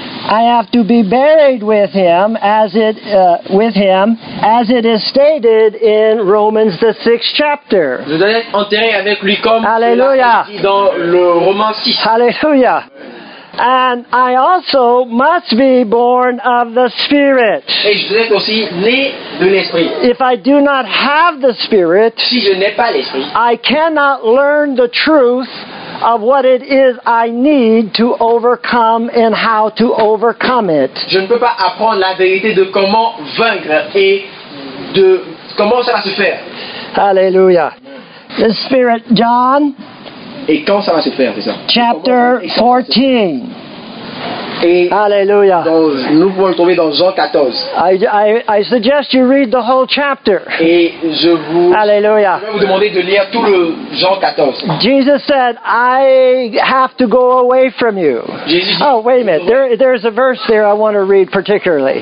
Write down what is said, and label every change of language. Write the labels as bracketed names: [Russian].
[English] I have to be buried with him as it is stated in Romans the 6th chapter. [French] Je dois être enterré avec lui comme il est dit dans le Romains 6. [English] Hallelujah. And I also must be born of the Spirit. [French] Et je dois être aussi né de l'Esprit. [English] If I do not have the Spirit, [French] si je n'ai pas l'Esprit, [English] I cannot learn the truth of what it is I need to overcome and how to overcome it. [French] Je ne peux pas apprendre la vérité de comment vaincre et de comment ça va se faire. [English] Hallelujah. The Spirit, John. [French] Et quand ça va se faire, c'est ça? [English] Chapter 14. [French] Et [English] hallelujah. [French] Nous pouvons le trouver dans Jean 14. [English] I suggest you read the whole chapter. [French] Et je vous, [English] hallelujah, [French] je vais vous demander de lire tout le Jean 14. [English] Jesus said, I have to go away from you. [French] Jésus dit, [English] oh, wait a minute. There's a verse there I want to read particularly.